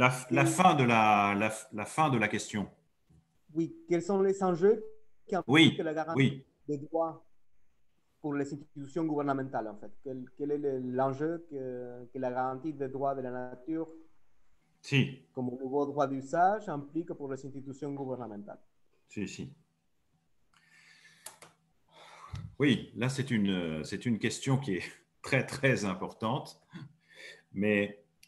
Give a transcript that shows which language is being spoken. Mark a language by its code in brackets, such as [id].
[fr] La fin de la question. Oui. Quels sont les enjeux qui impliquent la garantie des droits pour les institutions gouvernementales, en fait? Quel est l'enjeu que la garantie des droits de la nature... [es] Sí. Como nuevo derecho de uso implica por las instituciones gubernamentales. Sí, sí. [fr] Oui, là c'est une question qui est très très importante, mais